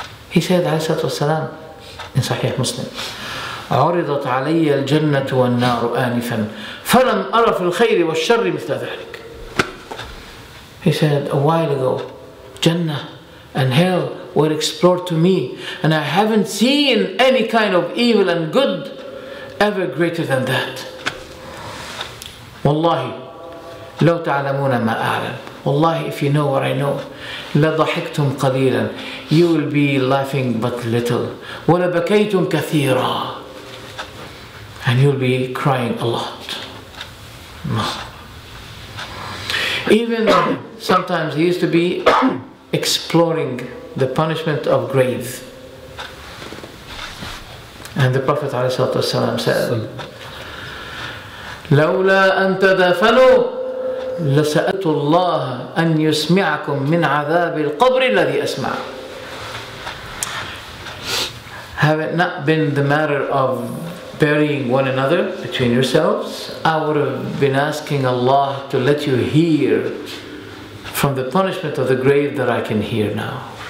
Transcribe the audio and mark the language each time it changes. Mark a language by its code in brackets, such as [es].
[en] He said alayhi salatu wasalam in Sahih Muslim, [ar] عُرِضَتْ عَلَيَّ الْجَنَّةُ وَالنَّارُ آنِفًا فَلَمْ أَرَ فِي الْخَيْرِ وَالشَّرِّ مِثْلَ ذَلِكَ. [en] He said, a while ago, Jannah and hell were explored to me, and I haven't seen any kind of evil and good ever greater than that. Wallahi, [ar] لو تعلمون ما أعلم. [en] Wallahi, if you know what I know, [ar] لَضَحِكْتُمْ قَلِيلًا. [en] You will be laughing but little. [ar] وَلَبَكَيْتُمْ كَثِيرًا. [en] And you'll be crying a lot. Even sometimes he used to be exploring the punishment of grave. And the Prophet ﷺ said, [ar] لولا أن تدافنوا لسألت الله أن يسمعكم من عذاب القبر الذي أسمع. [en] Have it not been the matter of burying one another between yourselves, I would have been asking Allah to let you hear from the punishment of the grave that I can hear now.